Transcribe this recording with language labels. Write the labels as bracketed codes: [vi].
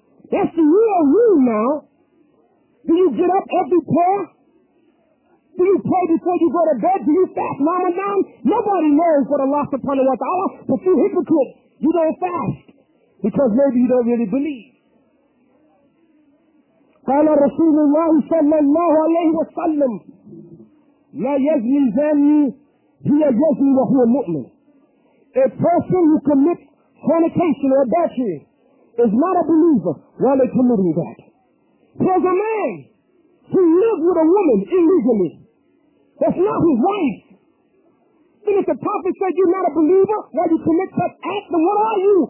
[en] That's the real rule now. Do you get up every prayer? Do you pray before you go to bed? Do you fast Ramadan? Nobody knows what Allah subhanahu wa ta'ala, but you hypocrites, you don't fast, because maybe you don't really believe. [ar] قال رسول الله صلى الله عليه وسلم لا يزني الزاني هي يزني وهو مؤمن. [en] A person who commits fornication or adultery is not a believer while they're committing that. There's a man who lives with a woman illegally, That's not his right. Then if the prophet said you're not a believer, why you commit such acts, then what are you?